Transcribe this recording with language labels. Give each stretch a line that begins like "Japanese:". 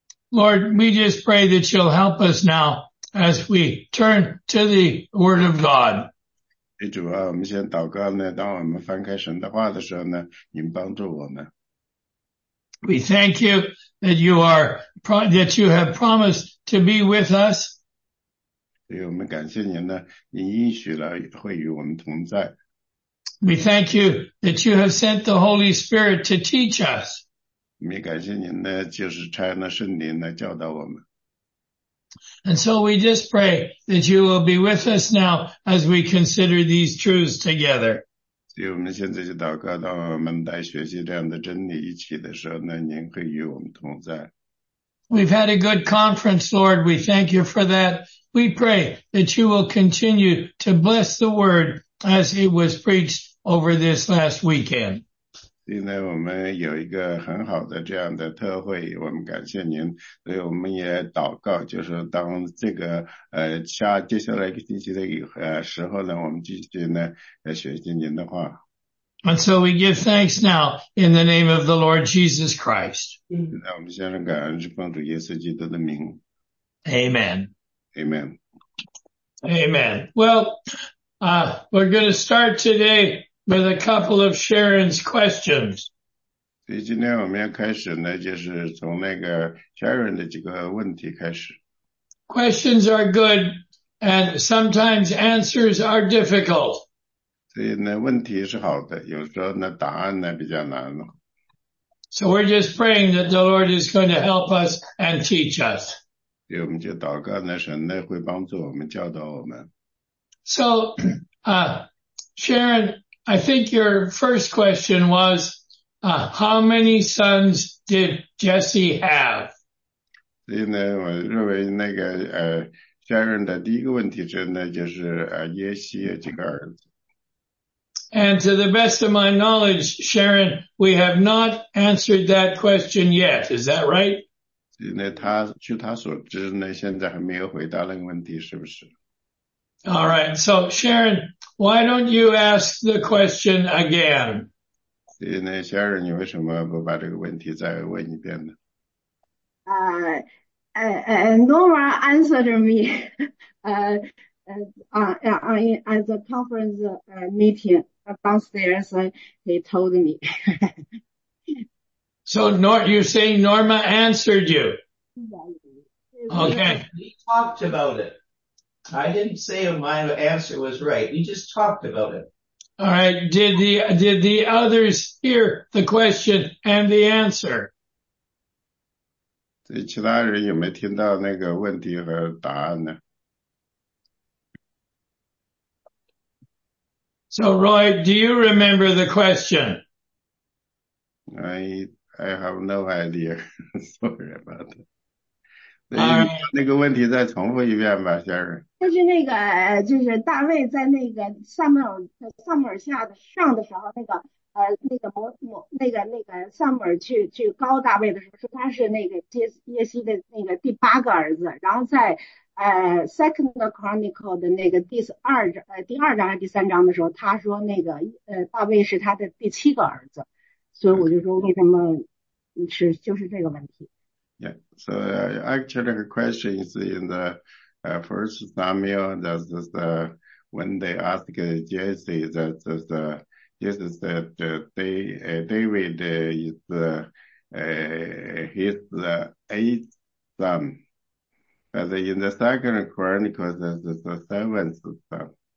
English: Lord, we just pray that you'll help us now as we turn to the Word of God.
Chinese: 主啊，我们先祷告呢。当我们翻开神的话的时候呢，您帮助我们。
English: We thank you that you are that you have promised to be with us.
Chinese: 所以我们感谢您呢，您应许了会与我们同在。
English: We thank you that you have sent the Holy Spirit to teach us.
Chinese: 我们也感谢您呢，就是差那圣灵来教导我们。
English: And so we just pray that you will be with us now as we consider these truths together.
Chinese: 所以我们现在就祷告，当我们来学习这样的真理一起的时候呢，您会与我们同在。
English: We've had a good conference, Lord. We thank you for that. We pray that you will continue to bless the word as it was preached over this last weekend.
Chinese: 现在我们有一个很好的这样的特会，我们感谢您，所以我们也祷告，就是当这个接下来一个星期的时候呢，我们继续呢学习您的话。
English: And so we give thanks now in the name of the Lord Jesus Christ.
Chinese: 现在我们向上感恩，是奉主耶稣基督的名。
English: Amen. Amen. Amen. Well, we're going to start today. With a couple of Sharon's questions.
Chinese: 所以今天我们要开始呢，就是从那个 Sharon 的几个问题开始。
English: Questions are good, and sometimes answers are difficult.
Chinese: 所以呢，问题是好的，有时候呢，答案呢比较难了。
English: So we're just praying that the Lord is going to help us and teach us.
Chinese: 所以我们就祷告呢，神呢会帮助我们，教导我们。
English: So, Sharon. I think your first question was, how many sons did Jesse have?
Chinese: 所以呢，我认为那个Sharon 的第一个问题是呢，就是耶西有几个儿子。
English: And to the best of my knowledge, Sharon, we have not answered that question yet. Is that right?
Chinese: 所以呢，据他所知呢，现在还没有回答那个问题，是不是？
English: All right, so Sharon, why don't you ask the question again?
Chinese: 那 Sharon, 你为什么不把这个问题再问一遍呢？
English: Nora answered me at the conference meeting downstairs, he told me. So you're saying Norma answered you? Okay. We talked about it. I didn't say my answer was right. We just talked about it. All right. Did the others hear the question and the answer?
Chinese: 对，其他人有没有听到那个问题和答案呢？
English: So, Roy, do you remember the question? I have no idea. Sorry about that.
Chinese: 那个问题再重复一遍吧，先生。就是那个，就是大卫在那个撒母耳下上的时候，撒母耳去告大卫的时候，说他是那个耶西的那个第八个儿子。然后在Second Chronicle 的那个第二章还是第三章的时候，他说那个大卫是他的第七个儿子。所以我就说为什么是就是这个问题。
English: Yeah, so actually the question is in the first Samuel, when they ask Jesse, Jesse said David is his eighth son, but in the second Chronicles, that is the seventh son.